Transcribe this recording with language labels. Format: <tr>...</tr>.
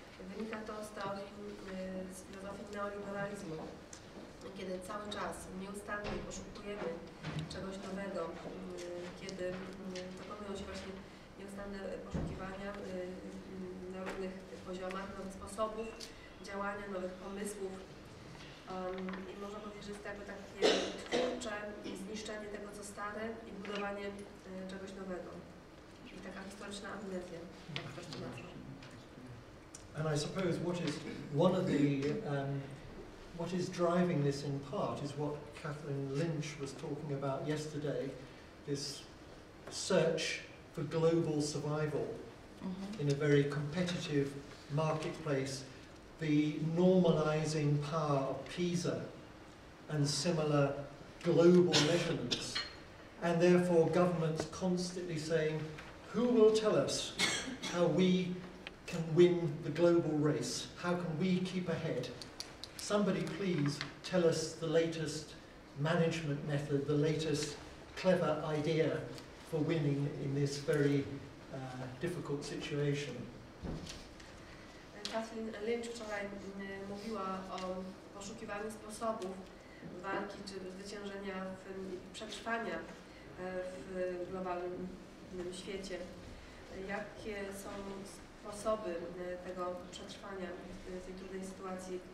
<pl>Wynika to z filozofii neoliberalizmu, kiedy cały czas nieustannie poszukujemy czegoś nowego, kiedy dokonują się właśnie nieustanne poszukiwania na różnych poziomach, nowych sposobów działania, nowych pomysłów. I można powiedzieć, że jest to jakby takie twórcze zniszczenie tego, co stare i budowanie czegoś nowego. I taka historyczna amnezja, jak ktoś to nazwał.</pl> <en>And I suppose what is one of the what is driving this in part is what Kathleen Lynch was talking about yesterday, this search for global survival in a very competitive marketplace. The normalizing power of PISA and similar global measurements, and therefore governments constantly saying, who will tell us how we can win the global race? How can we keep ahead? Somebody please tell us the latest management method, the latest clever idea for winning in this very difficult situation.</en> <pl>Kathleen Lynch wczoraj mówiła o poszukiwaniu sposobów walki czy zwyciężenia przetrwania w globalnym świecie. Jakie są sposoby tego przetrwania w tej trudnej sytuacji?</pl>